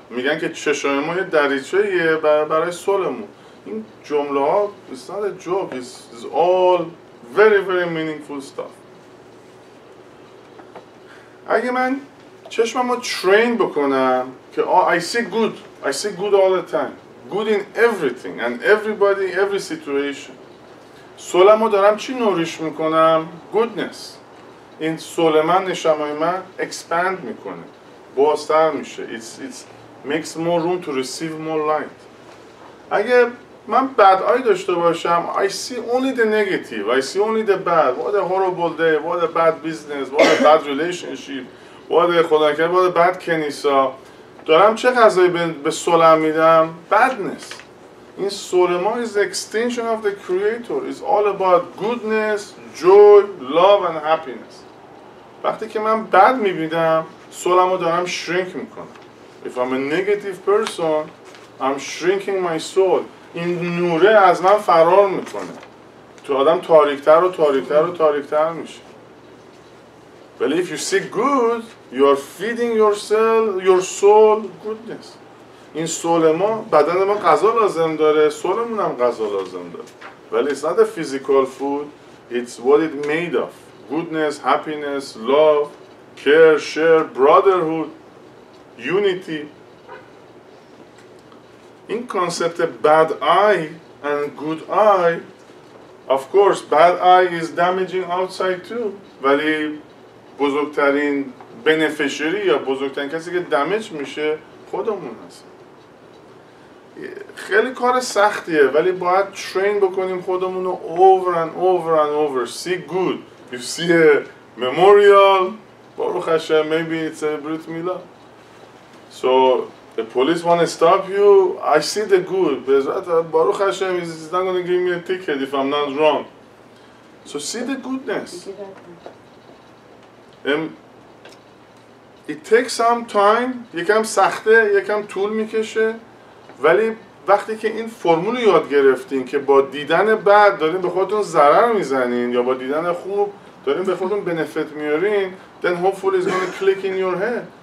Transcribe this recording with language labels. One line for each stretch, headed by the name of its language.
Persian: میگن که چشم ما یه دریچه یه برای سولمون. این جمله ها
English: it's not a joke, it's all very very meaningful stuff. اگه من چشمم رو train بکنم که I see good all the time, good in everything and everybody, every situation,
Persian: سولمو دارم چی نوریش میکنم؟
English: goodness.
Persian: این سول من, نشمای من اکسپند میکنه, بازتر میشه,
English: it's makes more room to receive more light. اگه من bad eye داشته باشم, I see only the negative, I see only the bad, what a horrible day, what a bad business, what a bad relationship, what a خدا کرده, what a bad کنیسا,
Persian: دارم چه غذایی به سولم میدم؟
English: badness.
Persian: این سول ما
English: is the extension of the creator, it's all about goodness, joy, love and happiness.
Persian: وقتی که من بد میبینم, سولمو دارم شرینک میکنم.
English: If I'm a negative person, I'm shrinking my soul.
Persian: این نوره از من فرار میکنه. تو آدم تاریکتر و تاریکتر و تاریکتر میشه.
English: But if you see good, you are feeding yourself, your soul, goodness.
Persian: این سول ما, بدن ما غذا لازم داره, سولمون هم غذا لازم داره. ولی
English: it's not a physical food, it's what it made of. Goodness, happiness, love, care, share, brotherhood, unity.
Persian: این کانسپت
English: bad eye and good eye, of course bad eye is damaging outside too,
Persian: ولی بزرگترین بنفیشری یا بزرگترین کسی که دمیج میشه خودمون هست. خیلی کار سختیه ولی باید ترین بکنیم خودمونو over and over and over.
English: See good, you see a memorial, baruch Hashem, maybe it's a brit milah. So the police wanna stop you, I see the good, baruch Hashem, he's not gonna give me a ticket if I'm not wrong. So see the goodness. It takes some time,
Persian: یکم سخته، یکم طول میکشه، ولی وقتی که این فرمولو یاد گرفتین که با دیدن بد دارین به خودتون ضرر میزنین یا با دیدن خوب دارین به خودتون بنفیت میارین،
English: then hopefully it's gonna click in your head.